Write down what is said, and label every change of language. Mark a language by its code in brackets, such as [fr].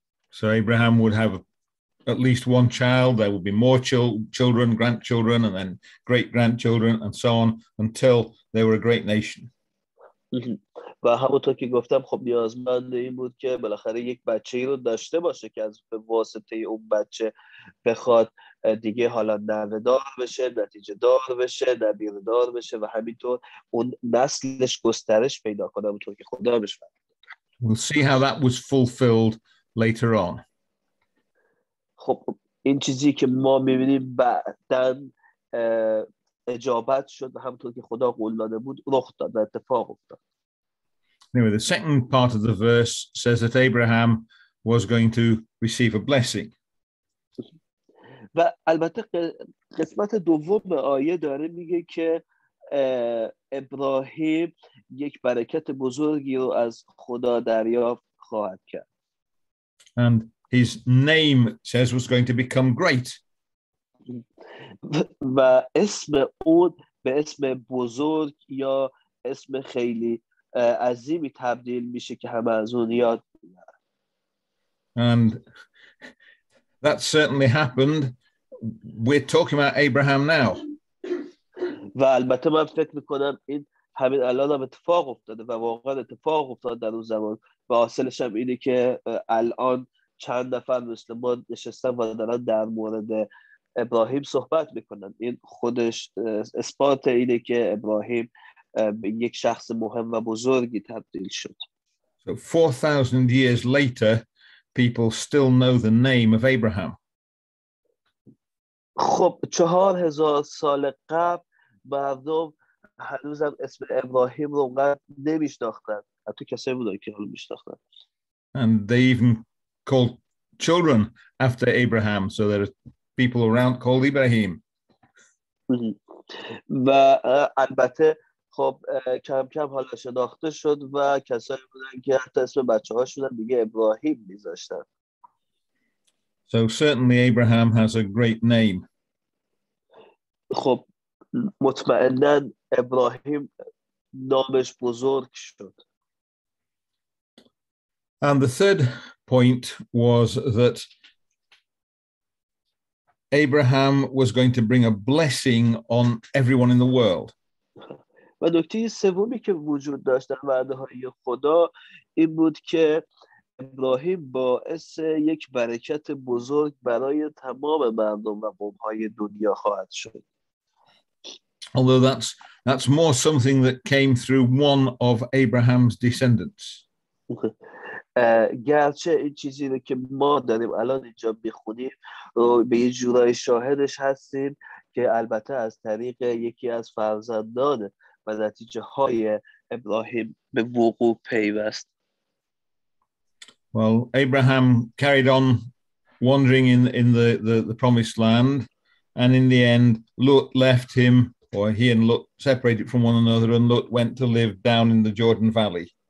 [en] So Abraham would have at least one child, there will be more children, grandchildren, and then great-grandchildren, and so on, until they were a great nation. [fa] و همونطور که گفتم خب نیازمند این بود که بالاخره یک بچه‌ای رو داشته باشه که از واسطه اون بچه بخواد دیگه حالا نوه‌دار بشه، نتیجه دار بشه، نبیردار بشه و همینطور اون نسلش گسترش پیدا کنه همونطور که خدا بهش فرمود. [en] We'll see how that was fulfilled later on. [fa] خب این چیزی که ما می‌بینیم بعداً اجابت شد و همونطور که خدا قول داده بود رخ داد و اتفاق افتاد. [en] Anyway, the second part of the verse says that Abraham was going to receive a blessing. [fa] و البته قسمت دوم آیه داره میگه که ابراهیم یک برکت بزرگی رو از خدا دریافت خواهد کرد. [en] And his name says was going to become great. [fa] و اسم اون به اسم بزرگ یا اسم خیلی عظیمی تبدیل میشه که همه از اون یاد میگیرن. [en] And that certainly happened. We're talking about Abraham now. [fa] و البته من فکر میکنم این همین الان هم اتفاق افتاده و واقعا اتفاق افتاده در اون زمان و حاصلش هم اینه که الان چند نفر مسلمان نشستن و دارن در مورد ابراهیم صحبت میکنن. این خودش اثبات اینه که ابراهیم به یک شخص مهم و بزرگی تبدیل شد. [en] So 4000 years later people still know the name of Abraham. [fa] خب 4000 سال قبل مردم هنوزم اسم ابراهیم رو اونقدر نمیشناختن، حتی کسایی بودن که اون میشناختن. [en] And they even called children after Abraham, so there are people around called Ibrahim. [fa] و البته خب کم کم حالا شناخته شد و کسایی بودن که حتی اسم بچه‌هاشون هم دیگه ابراهیم می‌ذاشتن. [en] So certainly Abraham has a great name. [fa] خب مطمئناً ابراهیم نامش بزرگ شد. [en] And the third point was that Abraham was going to bring a blessing on everyone in the world. [fa] و نکته سومی که وجود داشت در وعده‌های خدا این بود که ابراهیم باعث یک برکت بزرگ برای تمام مردم و قوم‌های دنیا خواهد شد. [en] Although that's more something that came through one of Abraham's descendants. [fa] گرچه این چیزی رو که ما داریم الان اینجا میخونیم رو به یه جورای شاهدش هستیم که البته از طریق یکی از فرزندان و نتیجه های ابراهیم به وقوع پیوست. [en] Well, Abraham carried on wandering in the promised land, and in the end Lot left him, or he and Lot separated from one another, and Lot went to live down in the Jordan Valley.